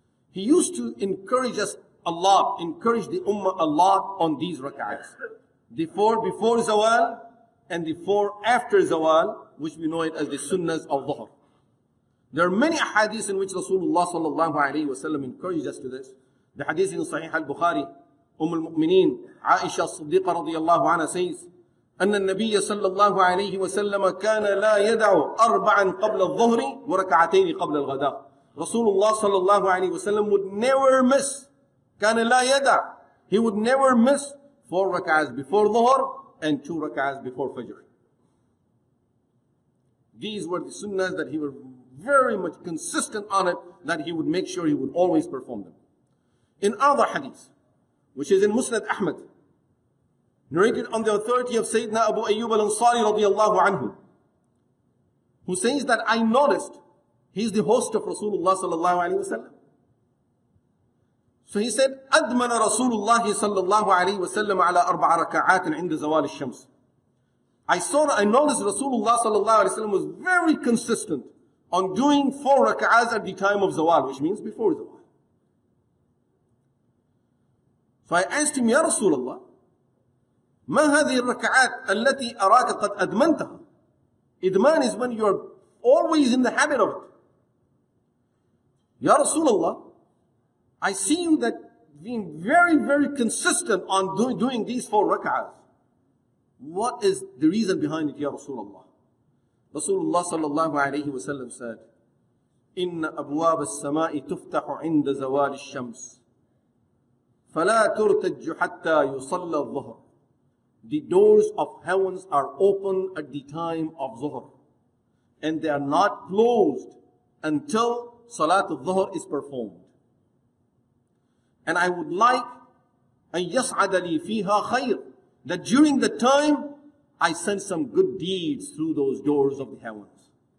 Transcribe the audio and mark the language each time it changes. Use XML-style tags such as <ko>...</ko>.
<en>He used to encourage us a lot, encourage the ummah a lot on these raka'ahs. The 4 before zawal and the 4 after zawal, which we know it as the sunnahs of zuhr. There are many hadiths in which Rasulullah sallallahu alayhi wa sallam encouraged us to this. The hadith in Sahih al-Bukhari, Ummul Mu'mineen, Aisha al-Siddiqa radiyallahu anha says,</en> <ar>أن النبي صلى الله عليه وسلم كان لا يدع أربعا قبل الظهر وركعتين قبل الغداء. رسول الله صلى الله عليه وسلم</ar> <en>would never miss.</en> <ar>كان لا يدع.</ar> <en>He would never miss 4 rak'ahs before ظهر and 2 rak'ahs before فجر. These were the sunnahs that he was very much consistent on it, that he would make sure he would always perform them. In other hadith, which is in Musnad Ahmad, narrated on the authority of Sayyidina Abu Ayyub al-Ansari radiallahu anhu, who says that I noticed he's the host of Rasulullah sallallahu alayhi wa sallam. So he said,</en> <ar>أَدْمَنَ رَسُولُ اللَّهِ sallallahu alayhi wa sallam عَلَىٰ أَرْبَعَ رَكَعَاتٍ عِنْدَ زَوَالِ الشَّمْسِ.</ar> <en>I noticed Rasulullah sallallahu alayhi wa sallam was very consistent on doing 4 raka'ahs at the time of zawal, which means before zawal. So I asked him,</en> <ar>Ya Rasulullah, ما هذه الركعات التي أراك قد أدمنتها.</ar> <en>إدمان is when you are always in the habit of it.</en> <ar>يا رسول الله,</ar> <en>I see you that being very, very consistent on doing these 4 rak'ahs. What is the reason behind it,</en> <ar>يا رسول الله? رسول الله صلى الله عليه وسلم said, إن أبواب السماء تفتح عند زوال الشمس فلا ترتج حتى يصلى الظهر.</ar> <en>The doors of heavens are open at the time of Zuhr. And they are not closed until Salat al-Zuhr is performed. And I would like,</en> <ar>أَن يَصْعَدَ لِي فِيهَا خَيْرٌ,</ar> <en>that during the time, I send some good deeds through those doors of the heavens.</en>